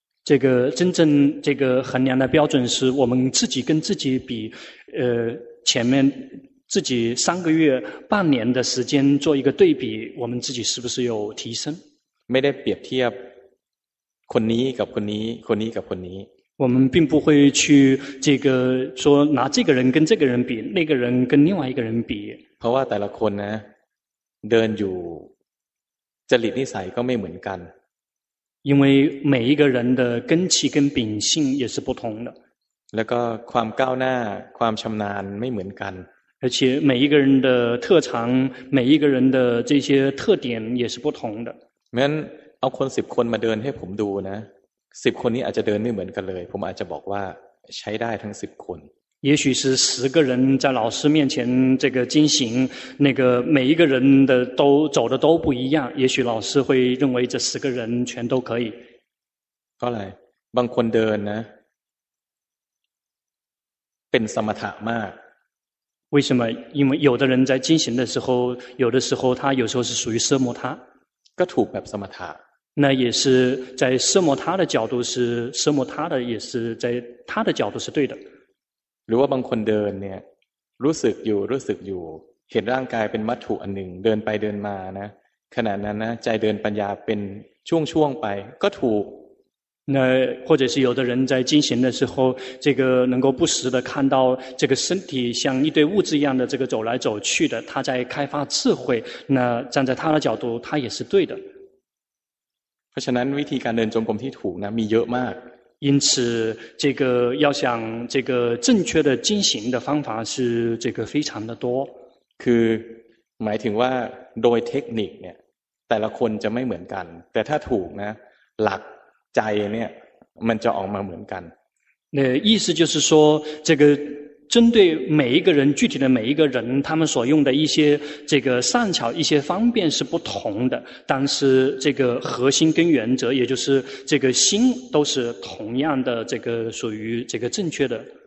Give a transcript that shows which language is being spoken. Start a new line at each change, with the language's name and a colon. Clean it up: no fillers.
Chinese: 这个真正这个衡量的标准是我们自己跟自己比前面自己三个月半年的时间做一个对比我们自己是不是有提升
Thai: ไม่ได้เปรียบเทียบคนนี้กับคนนี้คนนี้กับคนนี้
Chinese: 我们并不会去这个说拿这个人跟这个人比那个人跟另外一个人比
Thai: เพราะว่าแต่ละคนนะเดินอยู่จริตนิสัยก็ไม่เหมือนกัน
Chinese: 因为每一个人的根气跟秉性也是不同的
Thai: แล้วก็ความก้าวหน้าความชำนาญไม่เหมือนกัน
Chinese: 而且每一个人的特长每一个人的这些特点也是不同的
Thai: งั้นเอาคน10คนมาเดินให้ผมดูนะ10คนนี้อาจจะเดินไม่เหมือนกันเลยผมอาจจะบอกว่าใช้ได้ทั้ง10คน
Chinese: 也许是十个人在老师面前这个进行，那个每一个人的都走的都不一样，也许老师会认为这十个人全都可以。
Thai: เพราะอะไร บางคนเดินนะ เป็นสมถะมาก
Chinese: 为什么？因为有的人在进行的时候，有的时候他有时候是属于奢摩他，
Thai: ก็ถูกแบบสมถะ
Chinese: 那也是在奢摩他的角度是奢摩他的，也是在他的角度是对的。
Thai: หรือว่าบางคนเดินเนี่ยรู้สึกอยู่รู้สึกอยู่เห็นร่างกายเป็นวัตถุอันหนึ่งเดินไปเดินมานะขณะนั้นนะใจเดินปัญญาเป็นช่วงๆไปก็ถูก
Chinese: 那或者是有的人在进行的时候这个能够不时的看到这个身体像一堆物质一样的这个走来走去的他在开发智慧那站在他的角度他也是对的
Thai: เพราะฉะนั้นวิธีการเดินจงกรมที่ถูกนะมีเยอะมาก
Chinese: 因此这个要想这个正确的进行的方法是这个非常的多
Thai: คือหมายถึงว่าโดยเทคนิคเนี่ยแต่ละคนจะไม่เหมือนกันแต่ถ้าถูกนะหลักใจเนี่ยมันจะออกมาเหมือนกัน
Chinese: 那意思就是说这个针对每一个人具体的每一个人他们所用的一些这个善巧一些方便是不同的但是这个核心跟原则也就是这个心都是同样的这个属于这个正确的